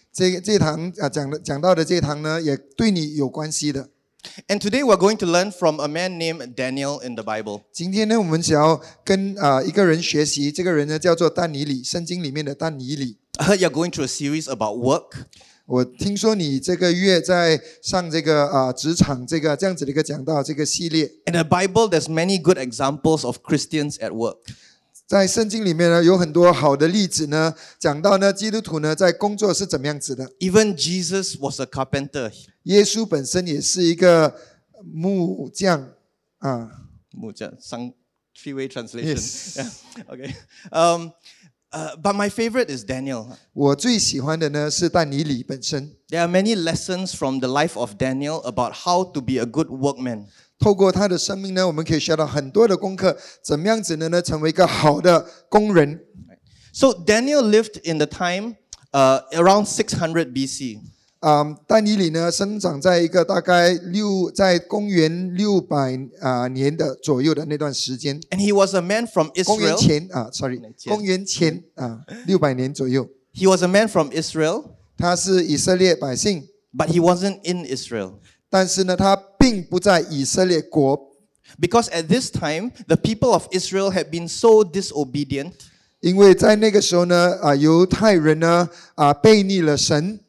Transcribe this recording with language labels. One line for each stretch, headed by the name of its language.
Chinese: 这堂讲到的这堂呢，也对你有关系的。
English: And today we're going to learn from a man named Daniel in the Bible.
Chinese: 今天呢，我们想要跟一个人学习，这个人呢叫做但以理，圣经里面的但以理。
English: I heard you're going through a series about work.
Chinese: 我听说你这个月在上这个职场这样子的一个讲到这个系列。
English: In the Bible, there's many good examples of Christians at work.
Chinese: 在圣经里面呢，有很多好的例子呢，讲到呢，基督徒呢在工作是怎么样子的。
English: Even Jesus was a carpenter.
Chinese: 耶稣本身也是一个木匠啊，木匠。
English: Some three-way translation. Yes. Yeah. Okay. But my favorite is Daniel.
Chinese: 我最喜欢的呢是但以理本身。
English: There are many lessons from the life of Daniel about how to be a good workman.
Chinese: 透过他的生命呢，我们可以学到很多的功课，怎么样子呢成为一个好的工人。
English: So Daniel lived in the time around 600 BC.
Chinese: 丹尼里呢生长在一个大概在公元600年的左右的那段时间。
English: And he was a man from Israel.
Chinese: 公元前啊 ，
English: sorry，
Chinese: 公元前啊，六百年左右。
English: He was a man from Israel.
Chinese: 他是以色列百姓。
English: But he wasn't in Israel.
Chinese: 但是呢，他并不在以色列国。
English: Because at this time, the people of Israel had been so disobedient.
Chinese: 因为在那个时候呢，犹太人呢，悖逆了神。